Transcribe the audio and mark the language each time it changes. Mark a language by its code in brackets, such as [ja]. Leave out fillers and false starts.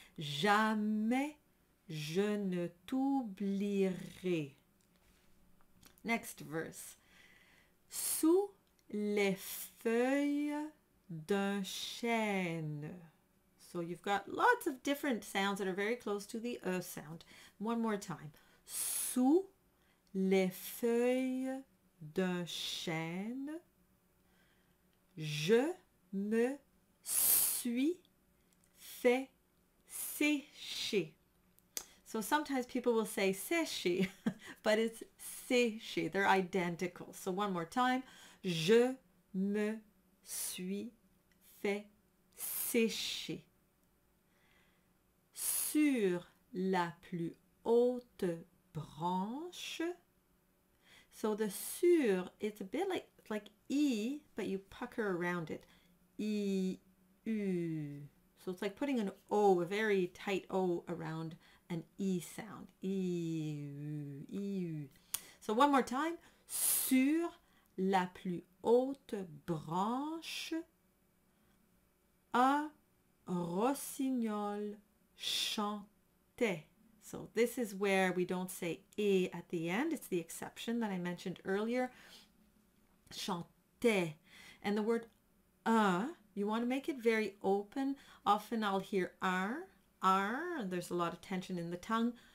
[fr] Jamais je ne t'oublierai. [en] Next verse. [fr] Sous les feuilles d'un chêne. [en] So you've got lots of different sounds that are very close to the E sound. One more time. [fr] Sous les feuilles d'un chêne, je me suis fait sécher. [en] So sometimes people will say sécher, but it's sécher. They're identical. So one more time. [fr] Je me suis fait sécher. Sur la plus haute branche. [en] So the sur, it's a bit like E, but you pucker around it. E, U. So it's like putting an O, a very tight O around an E sound. E, U, E, U. So one more time. [fr] Sur la plus haute branche, un rossignol chantait. [en] So this is where we don't say E at the end. It's the exception that I mentioned earlier. Chantait. And the word un, you want to make it very open. Often I'll hear R, and there's a lot of tension in the tongue.